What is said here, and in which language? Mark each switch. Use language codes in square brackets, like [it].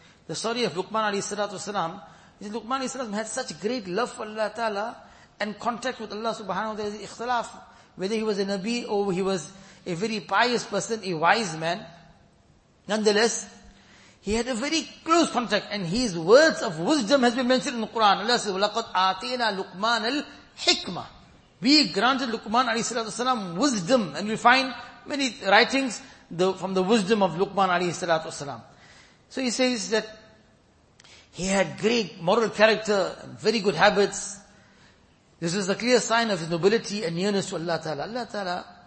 [en] The story of Luqman alayhi salatu wasalam. Luqman alayhi salatu had such great love for Allah ta'ala and contact with Allah subhanahu wa ta'ala. Ikhtilaf, whether he was a Nabi or he was a very pious person, a wise man. Nonetheless, he had a very close contact and his words of wisdom has been mentioned in the Quran. Allah says, [ar] وَلَقَدْ آتِيْنَا لُقْمَانَ الْحِكْمَةِ. [en] We granted Luqman alayhi salatu wasalam wisdom, and we find many writings from the wisdom of Luqman alayhi salatu wasalam. So he says that he had great moral character, very good habits. This is a clear sign of his nobility and nearness to Allah Ta'ala.